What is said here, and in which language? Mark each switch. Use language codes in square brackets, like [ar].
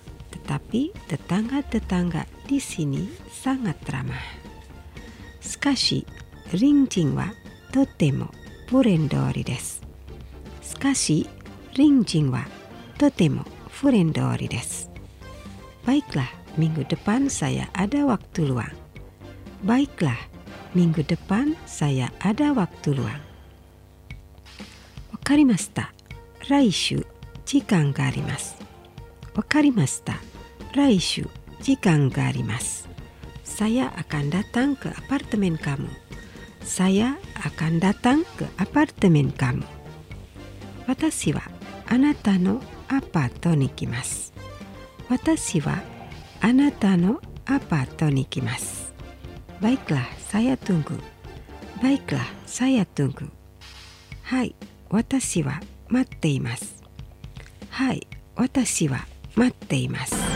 [id] Tetapi tetangga-tetangga di sini sangat ramah. [ja] しかし、隣人はとてもフレンドリーです。しかし、隣人はとてもフレンドリーです。 [id] Baiklah, minggu depan saya ada waktu luang. Baiklah, minggu depan saya ada waktu luang. [ja] わかりました。来週、時間があります。わかりました。来週、時間があります。 [id] Saya akan datang ke apartemen kamu. Saya akan datang ke apartemen kamu. [ja] 私はあなたのアパートに来ます。私はあなたのアパートに来ます。 [id] Baiklah, saya tunggu. Baiklah, saya tunggu. [ja] はい、私は待っています。はい、私は待っています。